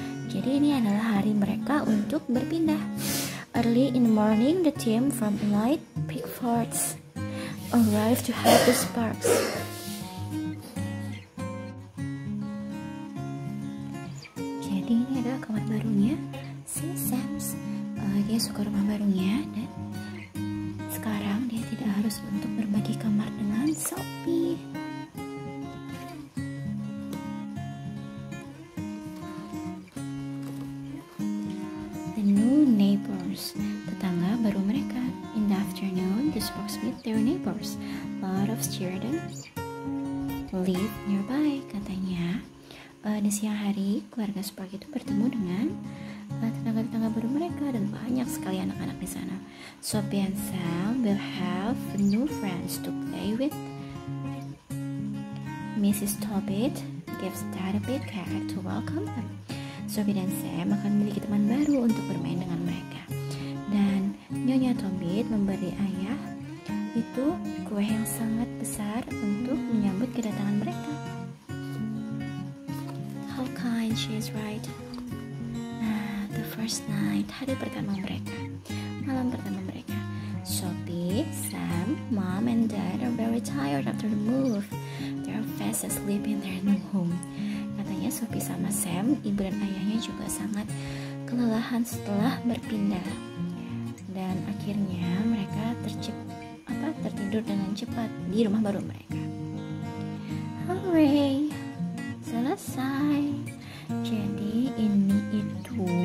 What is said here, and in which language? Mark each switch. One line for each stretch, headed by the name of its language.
Indonesian: Jadi ini adalah hari mereka untuk berpindah.
English: Early in the morning, the team from Light Pickfords arrive to help the Sparks.
Indonesian: Jadi ini adalah kawan barunya, si Sam's. Dia suka rumah barunya, dan sekarang dia tidak harus untuk berbagi kamar dengan Sophie.
English: The new neighbors,
Indonesian: tetangga baru mereka.
English: In the afternoon, the Sparks meet their neighbors. A lot of children live nearby, katanya.
Indonesian: Di siang hari, keluarga Spark itu bertemu dengan tetangga-tetangga baru mereka, dan banyak sekali anak-anak di sana.
English: Sophie and Sam will have new friends to play with. Mrs. Tobit gives Dad a big carrot to welcome them.
Indonesian: Sophie dan Sam akan memiliki teman baru untuk bermain dengan mereka. Dan Nyonya Tobit memberi ayah itu kue yang sangat besar untuk menyambut kedatangan mereka.
English: How kind she is, right? First night,
Indonesian: hari pertama mereka, malam pertama mereka.
English: Sophie, Sam, Mom, and Dad are very tired after the move. They are fast asleep in their new home.
Indonesian: Katanya Sophie sama Sam, ibu dan ayahnya juga sangat kelelahan setelah berpindah. Dan akhirnya mereka tertidur dengan cepat di rumah baru mereka. Hooray, selesai. Jadi ini itu